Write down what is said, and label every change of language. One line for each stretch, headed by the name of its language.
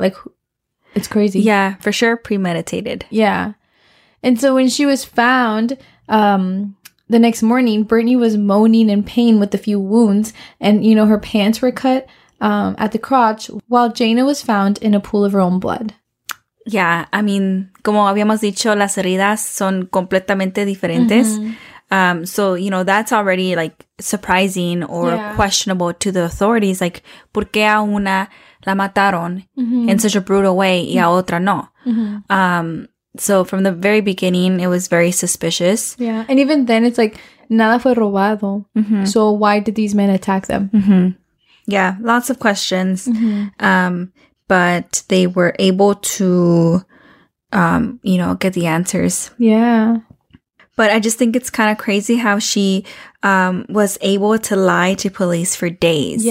English: Like, it's crazy. Yeah, for sure. Premeditated. Yeah. And so when she was found the next morning, Brittany was moaning in pain with a few wounds. And, you know, her pants were cut at the crotch while Jaina was found in a pool of her own blood. Yeah, I mean,
Spanish: como habíamos dicho, las heridas son completamente diferentes.
English: Mm-hmm. So, you know, that's already, like, surprising or yeah. questionable to the authorities.
Spanish: Like, ¿por qué a una la mataron mm-hmm.
English: in such a brutal way
Spanish: y a otra no?
English: Mm-hmm. So, from the very beginning, it was very suspicious. Yeah. And even then, it's like,
Spanish: nada fue robado.
English: Mm-hmm. So, why did these men attack them? Mm-hmm. Yeah. Lots of questions. Mm-hmm. But they were able to, you know, get the answers. Yeah. But I just think it's kind of crazy how she was able to lie to police for days.